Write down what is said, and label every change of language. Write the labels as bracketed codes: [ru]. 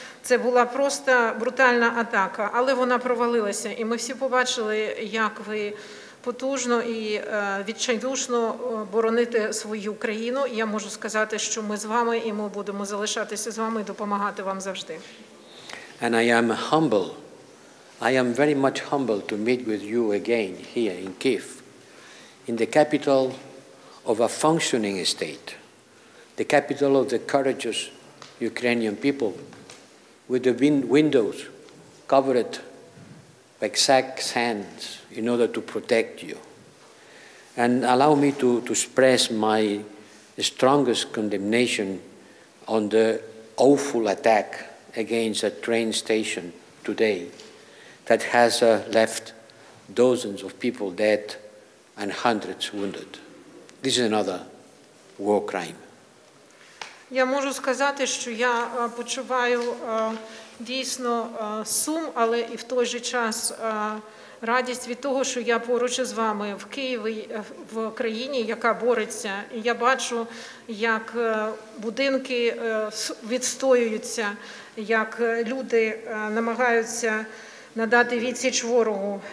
[uk] Це була просто брутальна атака, але вона провалилася. І ми всі побачили, як ви потужно і відчайдушно бороните свою країну. І я можу сказати, що ми з вами, і ми будемо залишатися з вами і допомагати вам завжди. [en] And I am humble. I am very much humbled to meet with you again here in Kyiv, in the capital of a functioning state, the capital of the courageous Ukrainian people, with the windows covered like sack's hands in order to protect you. And allow me to express my strongest condemnation on the awful attack against a train station today that has left dozens of people dead and hundreds wounded. This is another war crime. [uk] Я можу сказати, що я почуваю дійсно сум, але і в той же час радість від того, що я поруч із вами в Києві, в країні, яка бореться. І я бачу, як будинки відстоюються, як люди намагаються надати відсіч ворогу.